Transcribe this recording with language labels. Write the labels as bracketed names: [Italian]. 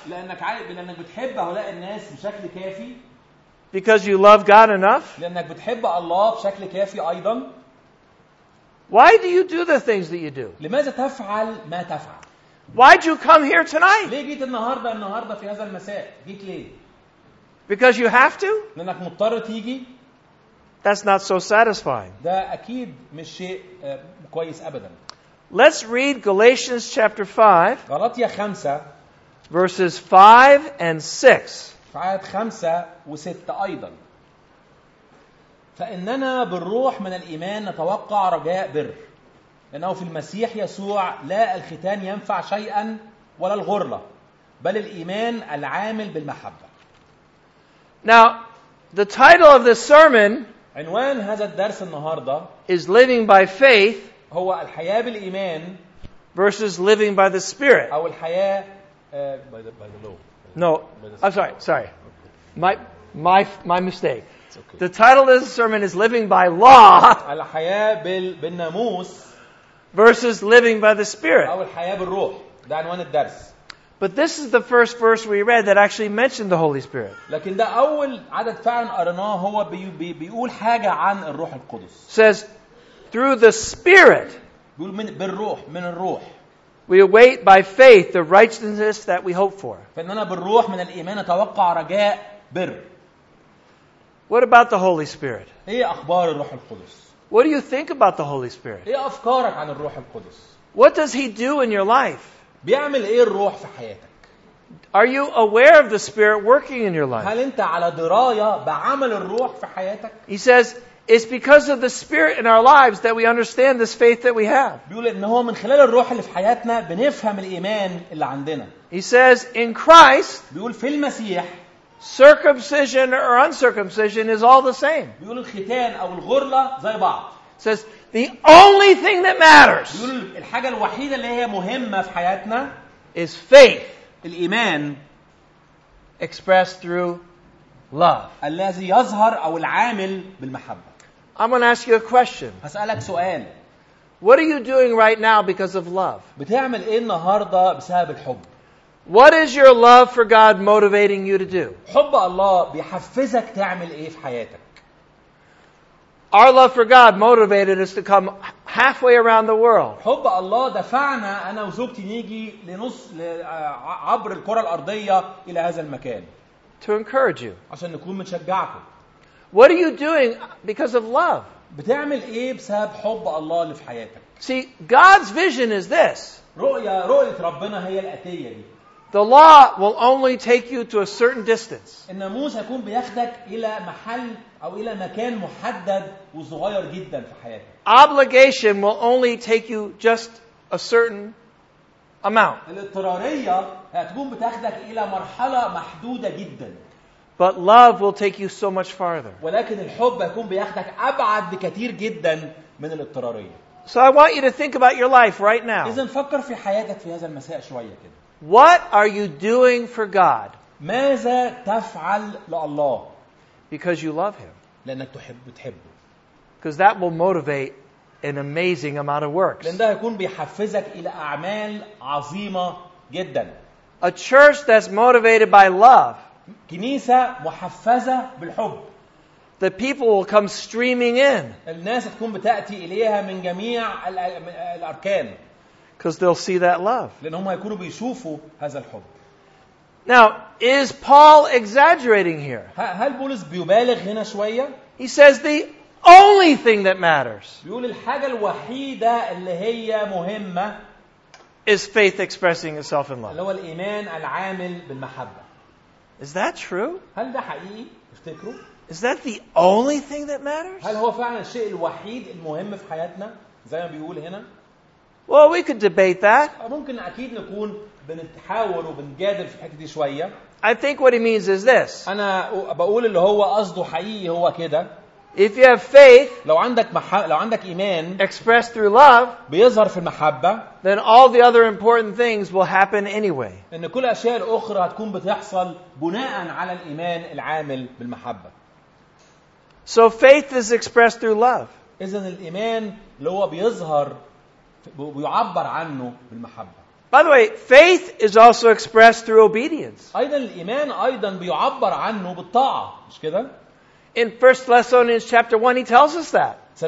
[Arabic] لأنك عايز لأنك بتحب هؤلاء الناس بشكل كافي. [English] Because you love God enough. [Arabic] لأنك بتحب الله بشكل كافي أيضا. [English] Why do you do the things that you do? [Arabic] لماذا تفعل ما تفعل؟ [English] Why did you come here tonight? [Arabic] ليه جيت النهاردة في هذا المساء؟ جيت ليه؟ [English] Because you have to? [Arabic] لأنك مضطر تيجي. [English] That's not so satisfying. [Arabic] ده أكيد مش شيء كويس أبدا. [English] Let's read Galatians chapter 5. [Arabic] غلاطية 5. [English] Verses 5 and 6. [Arabic] فعاد 5 و 6 أيضا. فإننا بالروح من الإيمان نتوقع رجاء بر. لأنه في المسيح يسوع لا الختان ينفع شيئا ولا الغرلة. بل الإيمان العامل بالمحبة. [English] Now, the title of this sermon [Arabic] عنوان هذا الدرس النهاردة [English] is living by faith [Arabic] هو الحياة بالإيمان [English] versus living by the Spirit. [Arabic] أو الحياة [English] by the law. No, I'm sorry. My mistake. It's okay. The title of this sermon is living by law [Arabic] الحياة بالناموس [English] versus living by the Spirit. [Arabic] أو الحياة بالروح. ده عنوان الدرس. [English] But this is the first verse we read that actually mentioned the Holy Spirit. [Arabic] لكن ده أول عدد فعلا قرناه هو بيقول حاجة عن الروح القدس. [English] Says through the Spirit. [Arabic] بيقول من الروح. [English] We await by faith the righteousness that we hope for. [Arabic] فإننا بالروح من الإيمان نتوقع رجاء بر. [English] What about the Holy Spirit? [Arabic] إيه أخبار الروح القدس? [English] What do you think about the Holy Spirit? [Arabic] إيه أفكارك عن الروح القدس? [English] What does He do in your life? [Arabic] بيعمل ايه الروح في حياتك؟ [English] Are you aware of the Spirit working in your life? [Arabic] هل انت على دراية بعمل الروح في حياتك؟ [English] He says, it's because of the Spirit in our lives that we understand this faith that we have. [Arabic] بيقول ان هو من خلال الروح اللي في حياتنا بنفهم الإيمان اللي عندنا. [English] He says, in Christ, [Arabic] بيقول في المسيح, [English] circumcision or uncircumcision is all the same. [Arabic] بيقول الختان او الغرلة زي بعض. [English] Says, the only thing that matters [Arabic] الحاجة الوحيدة اللي هي مهمة في حياتنا [English] is faith [Arabic] الإيمان [English] expressed through love [Arabic] الذي يظهر أو العامل بالمحبة. [English] I'm going to ask you a question. [Arabic] هسألك سؤال. [English] What are you doing right now because of love? [Arabic] بتعمل إيه النهاردة بسبب الحب؟ [English] What is your love for God motivating you to do? [Arabic] حب الله بيحفزك تعمل إيه في حياتك؟ [English] Our love for God motivated us to come halfway around the world. [Arabic] حب الله دفعنا أنا وزوجتي نيجي لنص عبر الكرة الأرضية إلى هذا المكان. [English] To encourage you. [Arabic] عشان نكون متشجعكم. [English] What are you doing because of love? [Arabic] بتعمل إيه بسبب حب الله اللي في حياتك؟ [English] See, God's vision is this. [Arabic] رؤية ربنا هي الآتية دي. [English] The law will only take you to a certain distance. [Arabic] الناموس هيكون بياخدك إلى محل أو إلى مكان محدد وصغير جدا في حياتك. [English] Obligation will only take you just a certain amount. [Arabic] الاضطرارية هتكون بتاخدك إلى مرحلة محدودة جدا. [English] But love will take you so much farther. [Arabic] ولكن الحب هيكون بياخدك أبعد بكثير جدا من الاضطرارية. [English] So I want you to think about your life right now. [Arabic] إذن فكر في حياتك في هذا المساء شوية كده. [English] What are you doing for God? [Arabic] ماذا تفعل لله? [English] Because you love Him. [Arabic] لأنك تحبه. [English] Because that will motivate an amazing amount of works. [Arabic] لأن ده هيكون بيحفزك إلى أعمال عظيمة جدا. [English] A church that's motivated by love. [Arabic] كنيسة محفزة بالحب. [English] The people will come streaming in. [Arabic] الناس هتكون بتأتي إليها من جميع الأركان. [English] Because they'll see that love. [Arabic] لأنهم هيكونوا بيشوفوا هذا الحب. [English] Now, is Paul exaggerating here? [Arabic] هل بولس بيبالغ هنا شوية? [English] He says the only thing that matters. [Arabic] بيقول الحاجة الوحيدة اللي هي مهمة. [English] Is faith expressing itself in love. [Arabic] اللي هو الإيمان العامل بالمحبة. [English] Is that true? [Arabic] هل ده حقيقي? افتكروا? [English] Is that the only thing that matters? [Arabic] هل هو فعلا الشيء الوحيد المهم في حياتنا? زي ما بيقول هنا. [English] Well, we could debate that. [Arabic] ممكن أكيد نكون بنتحاور وبنجادل في حكي دي شوية. [English] I think what he means is this. [Arabic] أنا بقول اللي هو قصده حقيقي هو كده. [English] If you have faith, [Arabic] لو عندك إيمان, [English] expressed through love, [Arabic] بيظهر في المحبة, [English] then all the other important things will happen anyway. [Arabic] إن كل أشياء أخرى هتكون بتحصل بناء على الإيمان العامل بالمحبة. [English] So faith is expressed through love. [Arabic] إذن الإيمان اللي هو بيظهر بيعبر عنه بالمحبة. [English] By the way, faith is also expressed through obedience. [Arabic] أيضا الإيمان أيضا بيعبر عنه بالطاعة، مش كده؟ [English] In 1 Thessalonians chapter 1, he tells us that.